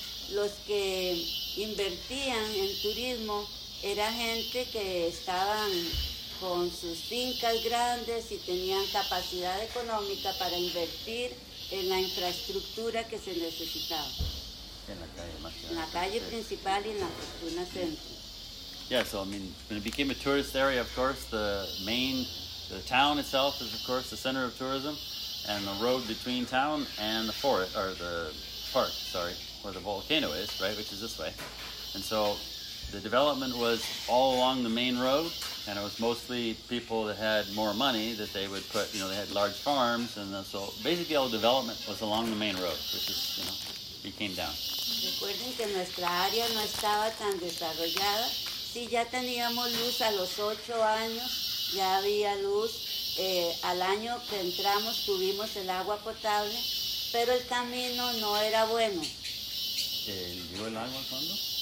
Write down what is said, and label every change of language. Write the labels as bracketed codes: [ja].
[es] Los que invertían en turismo era gente que estaban con sus fincas grandes y tenían capacidad económica para invertir en la infraestructura que se necesitaba. En la calle, más en la calle principal y en la Fortuna Centro. [en] Yeah, so I mean, when it became a tourist area, of course, the town itself is, of course, the center of tourism. And the road between town and the forest, or the park, sorry, where the volcano is, right, which is this way. And so the development was all along the main road, and it was mostly people that had more money that they would put, you know, they had large farms, and so basically all the development was along the main road, which is, you know, it came down. [es] Recuerden que nuestra área no estaba tan desarrollada. Sí, ya teníamos luz a los 8 años, ya había luz. Al año que entramos tuvimos el agua potable, pero el camino no era bueno. ¿Llegó el agua cuándo?